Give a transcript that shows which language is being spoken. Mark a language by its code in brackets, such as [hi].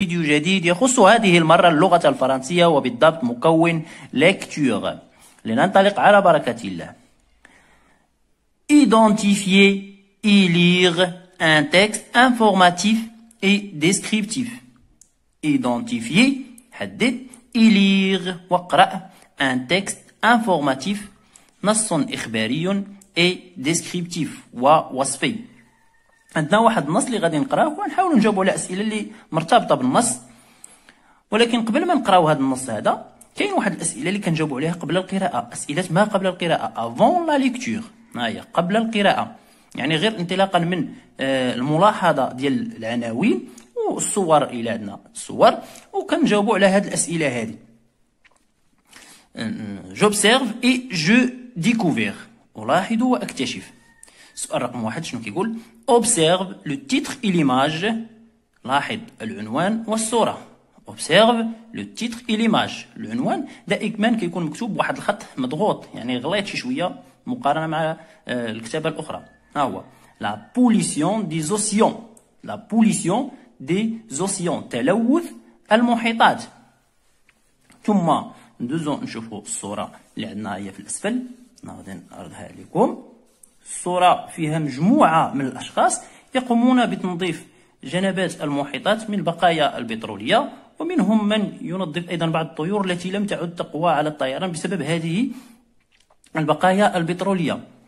[ar] فيديو جديد يخص هذه المرة اللغة الفرنسية وبالضبط مكون ليكتور لننطلق على بركة الله. [fr] Identifier et lire un texte informatif et descriptif. Identifier, [ar] حدد, [fr] et lire, [ar] وقرأ, [fr] un texte informatif, [ar] نص إخباري [fr] et descriptif, [ar] ووصفي. عندنا واحد النص اللي غادي نقراه ونحاول نجاوبوا على الاسئله اللي مرتبطه بالنص. ولكن قبل ما نقراو هذا النص هذا كاين واحد الاسئله اللي كنجاوبوا عليها قبل القراءه، اسئله ما قبل القراءه، افون لا ليكتور، هي قبل القراءه، يعني غير انطلاقا من الملاحظه ديال العناوين والصور الى عندنا الصور وكنجاوبوا على هذه الاسئله هذه. جوبسيرف اي جو ديكوفير، الاحظ واكتشف. سؤال رقم واحد شنو كيقول؟ [fr] Observe le titre et l'image. [ar] لاحظ العنوان والصورة. [fr] Observe le titre et l'image. [ar] العنوان دائما كيكون مكتوب بواحد الخط مضغوط، يعني غليط شي شوية مقارنة مع الكتابة الأخرى. ها هو [fr] La pollution des océans. La pollution des océans. [ar] تلوث المحيطات. ثم ندوزو نشوفو الصورة اللي عندنا هي في الأسفل. غادي نعرضها لكم. صورة فيها مجموعة من الأشخاص يقومون بتنظيف جنبات المحيطات من بقايا البترولية، ومنهم من ينظف أيضا بعض الطيور التي لم تعد تقوى على الطيران بسبب هذه البقايا البترولية.